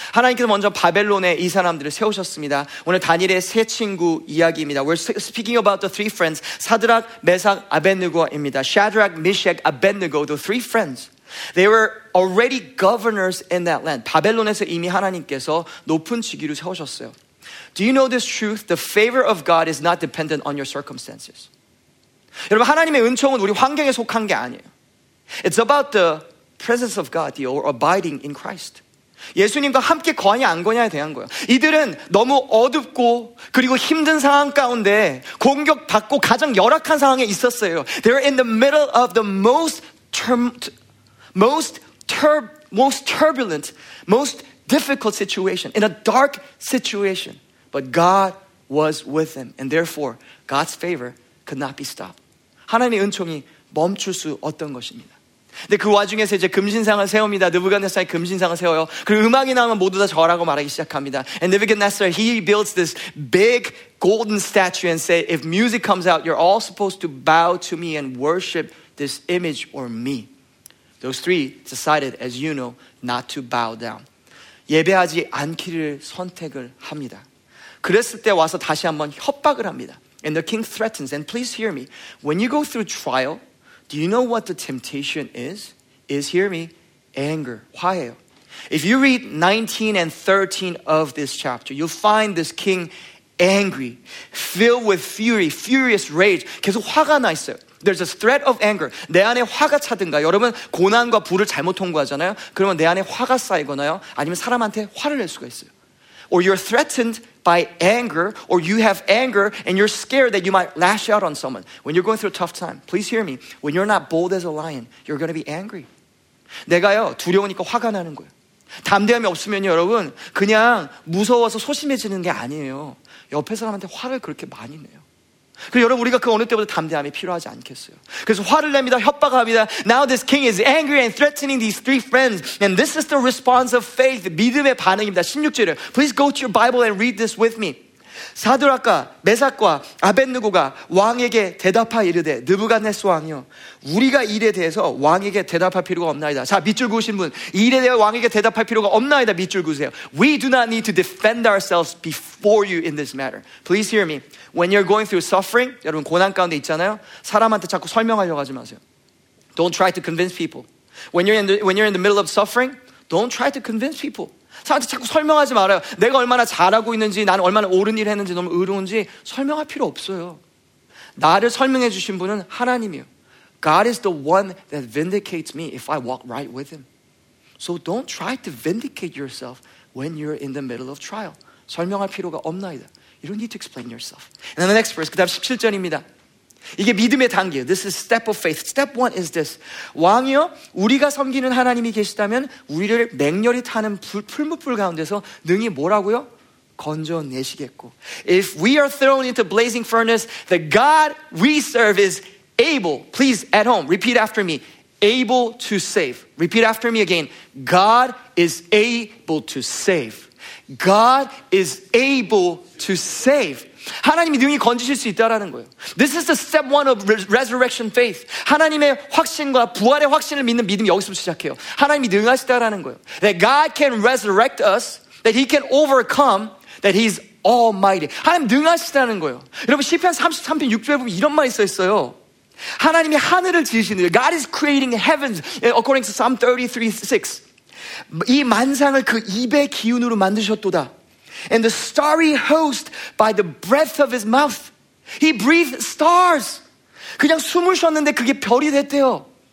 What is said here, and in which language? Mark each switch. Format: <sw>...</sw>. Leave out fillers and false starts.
<ko>하나님께서 먼저 바벨론에 이 사람들을 세우셨습니다. 오늘 다니엘의 세 친구 이야기입니다.</ko> <en>We're speaking about the three friends.</en> <ko>사드락, 메삭, 아벤느고입니다.</ko> <en>Shadrach, Meshach, Abednego, the three friends. They were already governors in that land.</en> <ko>바벨론에서 이미 하나님께서 높은 직위로 세우셨어요.</ko> <en>Do you know this truth? The favor of God is not dependent on your circumstances.</en> <ko>여러분, 하나님의 은총은 우리 환경에 속한 게 아니에요.</ko> <en>It's about the presence of God, or abiding in Christ.</en> <ko>예수님과 함께 거냐 안 거냐에 대한 거예요. 이들은 너무 어둡고 그리고 힘든 상황 가운데 공격받고 가장 열악한 상황에 있었어요.</ko> <en>They're in the middle of the most turbulent, most difficult situation, in a dark situation. But God was with them, and therefore, God's favor could not be stopped.</en> <ko>하나님의 은총이 멈출 수 없던 것입니다. 근데 그 와중에서 이제 금신상을 세웁니다. 느부갓네살이 금신상을 세워요. 그리고 음악이 나오면 모두 다 저라고 말하기 시작합니다.</ko> <en>And Nebuchadnezzar, he builds this big golden statue and say, if music comes out, you're all supposed to bow to me and worship this image or me. Those three decided, as you know, not to bow down.</en> <ko>예배하지 않기를 선택을 합니다. 그랬을 때 와서 다시 한번 협박을 합니다.</ko> <en>And the king threatens, and please hear me. When you go through trial, do you know what the temptation is? Is, hear me, anger.</en> <ko>화해요.</ko> <en>If you read 19 and 13 of this chapter, you'll find this king angry, filled with fury, furious rage.</en> <ko>계속 화가 나 있어요.</ko> <en>There's a threat of anger.</en> <ko>내 안에 화가 차든가, 여러분 고난과 불을 잘못 통과하잖아요. 그러면 내 안에 화가 쌓이거나요, 아니면 사람한테 화를 낼 수가 있어요.</ko> <en>Or you're threatened by anger, or you have anger and you're scared that you might lash out on someone. When you're going through a tough time, please hear me. When you're not bold as a lion, you're going to be angry.</en> <ko>내가요, 두려우니까 화가 나는 거예요. 담대함이 없으면요, 여러분 그냥 무서워서 소심해지는 게 아니에요. 옆에 사람한테 화를 그렇게 많이 내요. 그리고 여러분 우리가 그 어느 때보다 담대함이 필요하지 않겠어요. 그래서 화를 냅니다. 협박합니다.</ko> <en>Now this king is angry and threatening these three friends. And this is the response of faith.</en> <ko>믿음의 반응입니다. 16절을</ko> <en>Please go to your Bible and read this with me.</en> <ko>사드락과 메삭과 아벤느고가 왕에게 대답하여 이르되 느부갓네살 왕이여 우리가 일에 대해서 왕에게 대답할 필요가 없나이다. 자, 밑줄 그으신 분 일에 대해 왕에게 대답할 필요가 없나이다. 밑줄 그으세요.</ko> <en>We do not need to defend ourselves before you in this matter. Please hear me. When you're going through suffering,</en> <ko>여러분 고난 가운데 있잖아요. 사람한테 자꾸 설명하려고 하지 마세요.</ko> <en>Don't try to convince people. When you're in the middle of suffering, don't try to convince people.</en> <ko>사람한테 자꾸 설명하지 말아요. 내가 얼마나 잘하고 있는지, 나는 얼마나 옳은 일을 했는지, 너무 의로운지 설명할 필요 없어요. 나를 설명해 주신 분은 하나님이요.</ko> <en>God is the one that vindicates me if I walk right with him. So don't try to vindicate yourself when you're in the middle of trial.</en> <ko>설명할 필요가 없나이다.</ko> <en>You don't need to explain yourself. And then the next verse,</en> <ko>그 다음 17절입니다. 이게 믿음의 단계예요.</ko> <en>This is step of faith. Step one is this.</en> <ko>왕이여, 우리가 섬기는 하나님이 계시다면 우리를 맹렬히 타는 풀무불 가운데서 능히 뭐라고요? 건져내시겠고.</ko> <en>If we are thrown into blazing furnace, the God we serve is able. Please, at home, repeat after me. Able to save. Repeat after me again. God is able to save. God is able to save.</en> <ko>하나님이 능히 건지실 수 있다라는 거예요.</ko> <en>This is the step one of resurrection faith.</en> <ko>하나님의 확신과 부활의 확신을 믿는 믿음이 여기서부터 시작해요. 하나님이 능하시다라는 거예요.</ko> <en>That God can resurrect us, that he can overcome, that he's almighty.</en> <ko>하나님 능하시다는 거예요. 여러분 시편 33편 6절에 보면 이런 말이 써 있어요. 하나님이 하늘을 지으시는 거예요.</ko> <en>God is creating heavens according to Psalm 33:6.</en> <ko>이 만상을 그 입의 기운으로 만드셨도다.</ko> <en>And the starry host by the breath of his mouth. He breathed stars.</en> <ko>그냥 숨을 쉬었는데 그게 별이 됐대요.</ko>